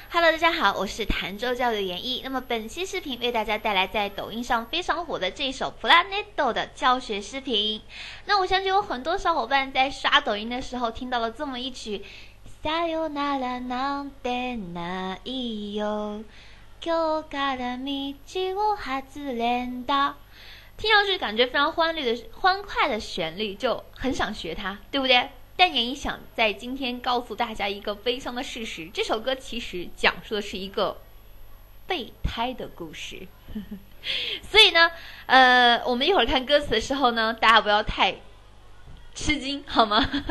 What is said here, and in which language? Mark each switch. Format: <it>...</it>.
<zh>Hello， 大家好，我是弹奏教友研一。那么本期视频为大家带来在抖音上非常火的这一首 Planeto 的教学视频。那我相信有很多小伙伴在刷抖音的时候听到了这么一曲</zh> <ja>Sayonara nante nai yo， 今日から道を外れんだ。</ja> <zh>听上去感觉非常欢快的旋律，就很想学它，对不对？但也想在今天告诉大家一个悲伤的事实，这首歌其实讲述的是一个备胎的故事。所以呢，我们一会儿看歌词的时候呢，大家不要太吃惊好吗？</zh>